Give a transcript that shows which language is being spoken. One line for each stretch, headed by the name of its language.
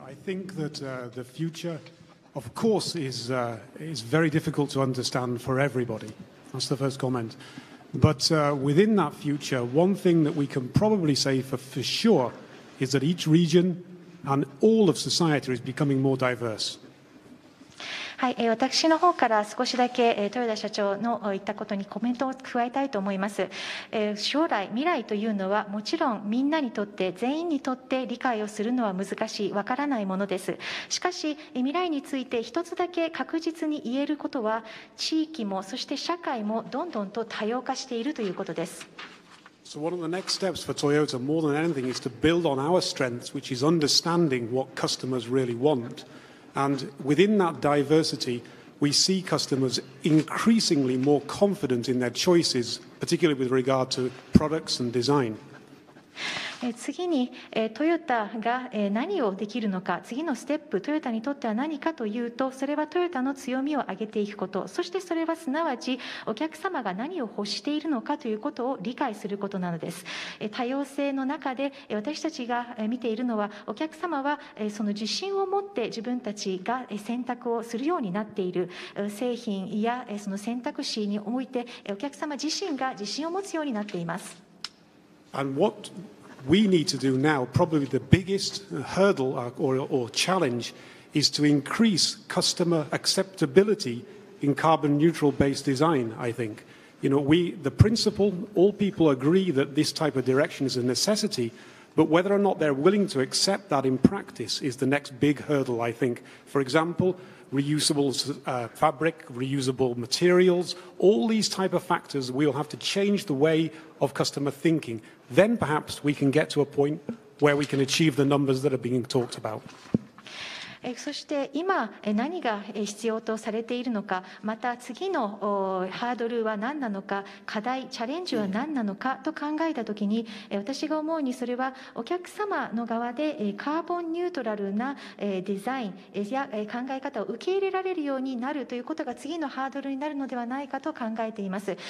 English: I think that the future, of course, is very difficult to understand for everybody. That's the first comment. But within that future, one thing that we can probably say for sure is that each region and all of society is becoming more diverse.
Japanese: はい、私の方から少しだけ豊田社長の言ったことにコメントを加えたいと思います。将来、未来というのはもちろんみんなにとって、全員にとって理解をするのは難しい、わからないものです。しかし未来について一つだけ確実に言えることは、地域もそして社会もどんどんと多様化しているということです。
English: So one of the next steps for Toyota, more than anything, is to build on our strengths, which is understanding what customers really want. And within that diversity, we see customers increasingly more confident in their choices, particularly with regard to products and design.
Japanese: 次にトヨタが何をできるのか、次のステップ、トヨタにとっては何かというと、それはトヨタの強みを上げていくこと、そしてそれはすなわちお客様が何を欲しているのかということを理解することなのです。多様性の中で私たちが見ているのは、お客様はその自信を持って自分たちが選択をするようになっている、製品やその選択肢においてお客様自身が自信を持つようになっています。
English: And whatWe need to do now, probably the biggest hurdle or challenge, is to increase customer acceptability in carbon neutral based design, I think. You know, the principle, all people agree that this type of direction is a necessity, but whether or not they're willing to accept that in practice is the next big hurdle, I think. For example, reusable fabric, reusable materials, all these type of factors, we'll have to change the way of customer thinking. Then perhaps we can get to a point where we can achieve the numbers that are being talked about.
Japanese: そして今何が必要とされているのか、また次のハードルは何なのか、課題チャレンジは何なのかと考えたときに、私が思うに、それはお客様の側でカーボンニュートラルなデザインや考え方を受け入れられるようになるということが次のハードルになるのではないかと考えています。